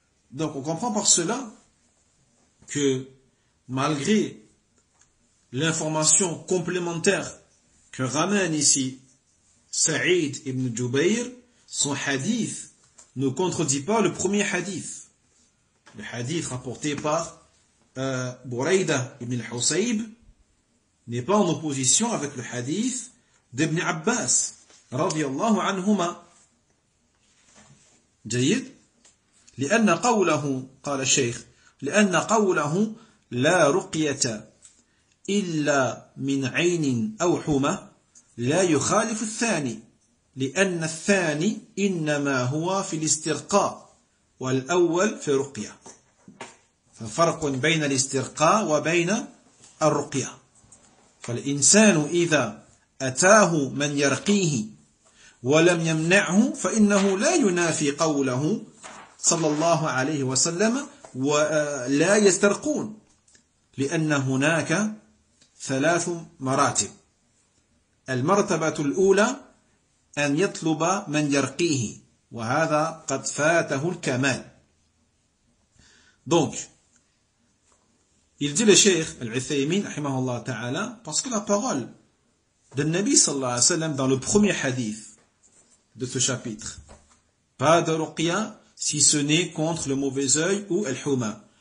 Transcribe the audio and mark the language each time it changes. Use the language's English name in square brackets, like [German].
[French] Donc on comprend par cela que malgré l'information complémentaire que ramène ici Saïd ibn Jubayr, son hadith ne contredit pas le premier hadith. Le hadith rapporté par Buraïda ibn al-Husayb n'est pas en opposition avec le hadith d'Ibn Abbas, radiallahu anhuma. [Arabic] Jayyid, لأن قوله, قال الشيخ, لأن قوله لا رقية إلا من عين أو حمى لا يخالف الثاني لأن الثاني إنما هو في الاسترقاء والأول في رقية. ففرق بين الاسترقاء وبين الرقية. فالإنسان إذا أتاه من يرقيه ولم يمنعه فإنه لا ينافي قوله صلى الله عليه وسلم ولا يسترقون لأن هناك ثلاث مراتب. المرتبة الأولى أن يطلب من يرقيه وهذا قد فاته الكمال. [French] Donc, il dit le Cheikh Al-Uthaymin, rahimahullah ta'ala, parce que la parole de Nabi sallallahu alayhi wa sallam dans le premier hadith de ce chapitre, pas de ruqya si ce n'est contre le mauvais œil ou al-huma.